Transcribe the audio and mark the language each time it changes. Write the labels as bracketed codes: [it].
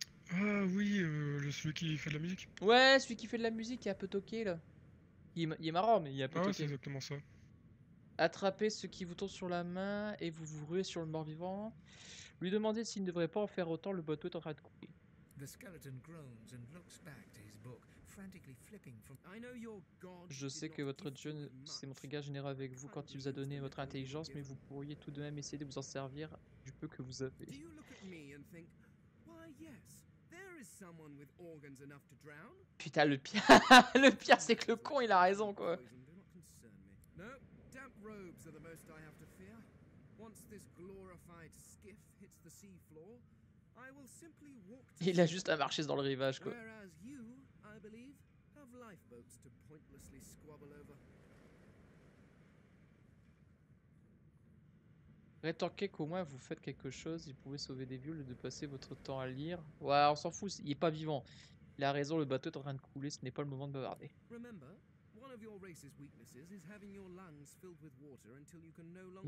[fr] Ah oui, celui qui fait de la musique. Ouais, celui qui fait de la musique, il est un peu toqué là. Il est marrant, mais il est un peu toqué. Ah, c'est exactement ça. Attrapez ce qui vous tourne sur la main et vous vous ruez sur le mort-vivant. Lui demander s'il ne devrait pas en faire autant, le bateau est en train de couler. [en] The skeleton groans and looks back to his book, frantically flipping from... I know your god. [fr] Je sais que votre dieu s'est montré gars généreux avec vous quand il vous a donné votre intelligence, mais vous pourriez tout de même essayer de vous en servir du peu que vous avez. [en] Do you look at me and think, why yes, there is someone with organs enough to drown? [fr] Putain, le pire c'est que le con il a raison quoi. [en] No, damp robes are the most I have to fear. Once this glorified skiff hits the sea floor, I will simply walk to... [fr] Il a juste à marcher dans le rivage quoi. [en] Whereas you, I believe, have lifeboats to pointlessly squabble over. [fr] Rétorquez qu'au moins vous faites quelque chose, vous pouvez sauver des vieux au lieu de passer votre temps à lire. Ouais, on s'en fout, il est pas vivant. Il a raison, le bateau est en train de couler, ce n'est pas le moment de bavarder. [en] Remember, one of your race's weaknesses is having your lungs filled with water until you can no longer...